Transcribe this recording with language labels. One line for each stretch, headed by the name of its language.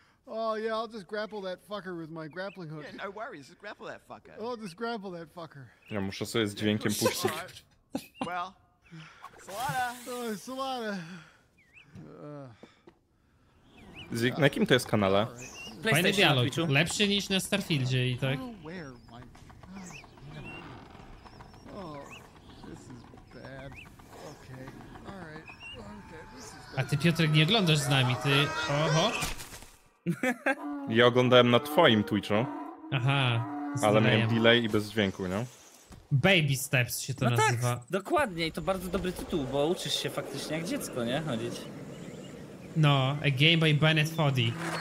English: Oh yeah, I'll just grapple that fucker with my grappling hook. Yeah, no worries, just grapple that fucker. I'll just grapple that fucker.
Polish: Ja muszę sobie z dźwiękiem puścić.
English: Well, Salada. Oh, Salada.
Polish: Na kim to jest kanale? Fajny dialog, lepszy niż na Starfieldzie i tak. A ty, Piotrek, nie oglądasz z nami, ty... Oho. Ja oglądałem na twoim Twitchu. Aha. Ale miałem delay i bez dźwięku, nie? Baby Steps się to nazywa. Tak, dokładnie, i to bardzo dobry tytuł, bo uczysz się faktycznie jak dziecko, nie? Chodzić. No,
English: a game by Bennett Foddy.